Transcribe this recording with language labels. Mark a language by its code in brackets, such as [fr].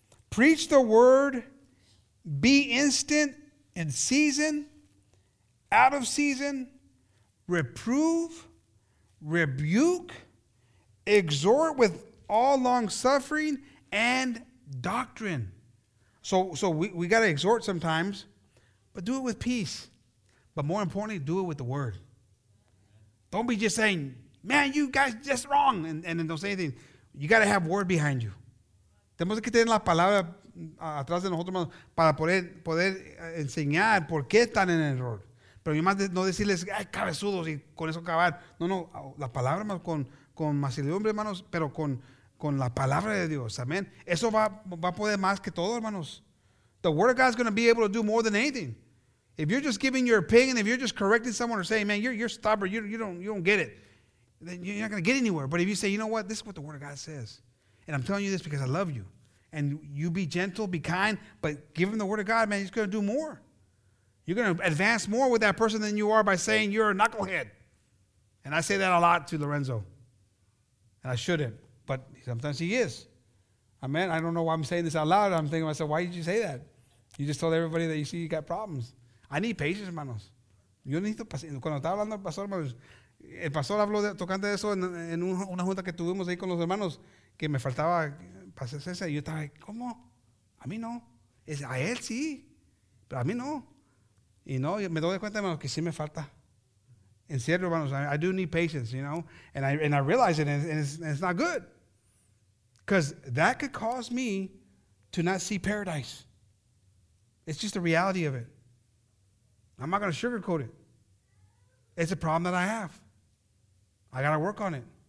[en] Preach the word, be instant in season, out of season, reprove, rebuke, exhort with all long-suffering and doctrine. So we got to exhort sometimes, but do it with peace. But more importantly, do it with the word. Don't be just saying, man, you guys just wrong, and then don't say anything. You got to have word behind you. [es] Tenemos que tener la palabra atrás de nosotros para poder enseñar por qué están en error. Pero yo más no decirles, ay, cabezudos, y con eso acabar. No, no, la palabra con masilumbre, hermanos, pero con la palabra de Dios, amén. Eso va a poder más que todo, hermanos. [en] The word of God is going to be able to do more than anything. If you're just giving your opinion, if you're just correcting someone or saying, man, you're stubborn, you don't get it, then you're not going to get anywhere. But if you say, you know what, this is what the word of God says. And I'm telling you this because I love you. And you be gentle, be kind, but give him the word of God, man, he's going to do more. You're going to advance more with that person than you are by saying you're a knucklehead. And I say that a lot to Lorenzo. And I shouldn't, but sometimes he is. Amen. I don't know why I'm saying this out loud. I'm thinking to myself, why did you say that? You just told everybody that you see you got problems. I need patience, hermanos. [es] Yo necesito paciencia. Cuando estaba hablando el pastor habló tocante de eso en una junta que tuvimos ahí con los hermanos, que me faltaba paciencia. Y yo estaba, ¿cómo? A mí no. Es a él sí, pero a mí no. Y no, me doy cuenta, hermanos, que sí me falta. En serio, hermanos, [en] I do need patience, you know. And I realize it, and it's not good. Because that could cause me to not see paradise. It's just the reality of it. I'm not going to sugarcoat it. It's a problem that I have. I got to work on it.